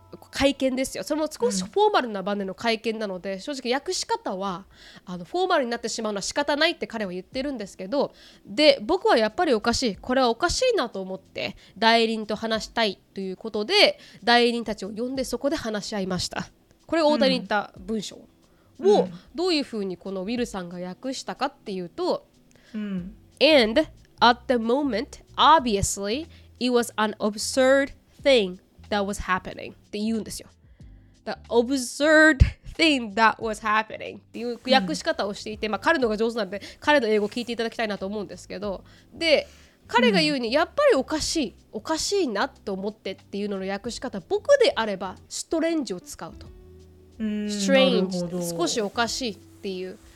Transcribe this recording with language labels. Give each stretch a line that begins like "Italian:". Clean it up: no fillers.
Japanese: 会見ですよ、それも少しフォーマルな場での会見なので、うん、正直訳し方はあのフォーマルになってしまうのは仕方ないって彼は言ってるんですけど、で僕はやっぱりおかしい、これはおかしいなと思って代理人と話したいということで代理人たちを呼んでそこで話し合いました。これ大谷に言った文章をどういうふうにこのウィルさんが訳したかっていうと、うん、
English: AndAt the moment, obviously, it was an absurd thing that was happening.
Japanese: って言うんですよ。
English: The absurd thing that was happening.
Japanese: っていう訳し方をしていて、うん、まあ、彼のが上手なんで、彼の英語を聞いていただきたいなと思うんですけど、で、彼が言うに、やっぱりおかしい、おかしいなと思ってっていうのの訳し方、僕であれば、ストレンジを使うと。 Strange、少しおかしいっていう。